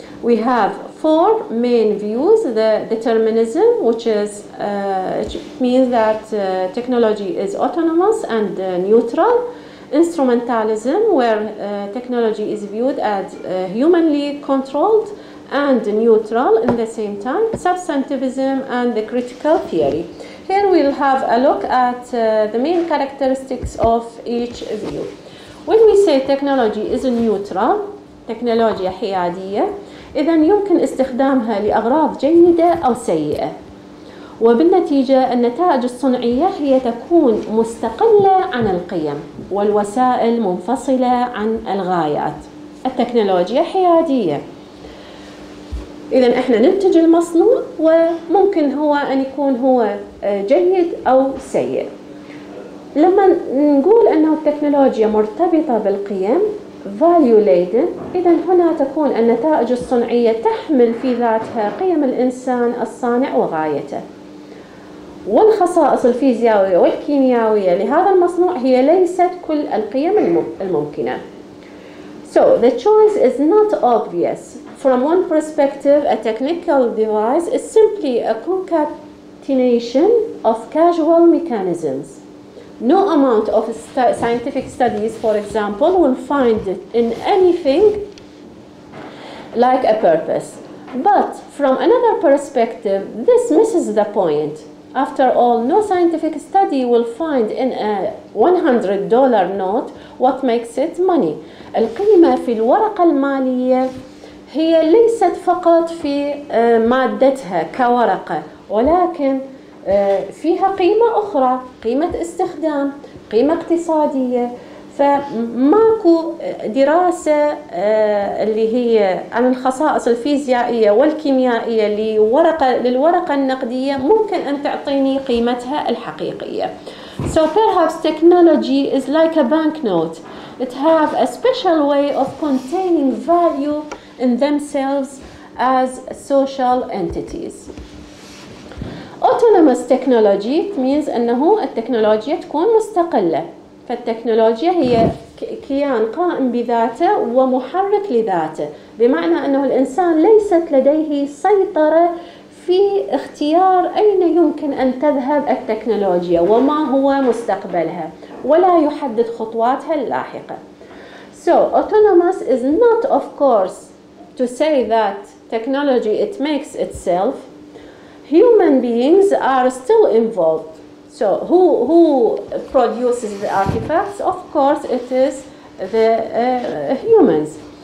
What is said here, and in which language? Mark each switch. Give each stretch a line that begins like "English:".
English: We have four main views: the determinism, which is which means that technology is autonomous and neutral; instrumentalism, where technology is viewed as humanly controlled and neutral in the same time; substantivism, and the critical theory. Here we'll have a look at the main characteristics of each view. When we say technology is neutral,
Arabic: تكنولوجيا حيادية، إذا يمكن استخدامها لأغراض جيدة أو سيئة، وبالنتيجة النتائج الصنعية هي تكون مستقلة عن القيم والوسائل، منفصلة عن الغايات. التكنولوجيا حيادية، إذا إحنا ننتج المصنوع وممكن هو أن يكون هو جيد أو سيء. لما نقول أنه التكنولوجيا مرتبطة بالقيم
English: value laden،
Arabic: إذا هنا تكون النتائج الصنعية تحمل في ذاتها قيم الإنسان الصانع وغايته، والخصائص الفيزيائية والكيميائية لهذا المصنوع هي ليست كل القيم الممكنة.
English: So the choice is not obvious. From one perspective, a technical device is simply a concatenation of casual mechanisms. No amount of scientific studies, for example, will find it in anything like a purpose. But from another perspective, this misses the point. After all, no scientific study will find in a $100 note what makes it money.
Arabic: القيمة في الورقة المالية هي ليست فقط في مادتها كورقة، ولكن فيها قيمة أخرى، قيمة استخدام، قيمة اقتصادية. فماكو دراسة اللي هي عن الخصائص الفيزيائية والكيميائية للورقة النقدية ممكن أن تعطيني قيمتها الحقيقية.
English: So perhaps technology is like a banknote. It has a special way of containing value in themselves as social entities. Autonomous technology means
Arabic: أنه التكنولوجيا تكون مستقلة. فالتكنولوجيا هي كيان قائم بذاته ومحرك لذاته، بمعنى أنه الإنسان ليست لديه سيطرة في اختيار أين يمكن أن تذهب التكنولوجيا وما هو مستقبلها، ولا يحدد خطواتها اللاحقة.
English: So autonomous is not of course to say that technology it makes itself. Human beings are still involved. So who produces the artifacts? Of course it is the humans.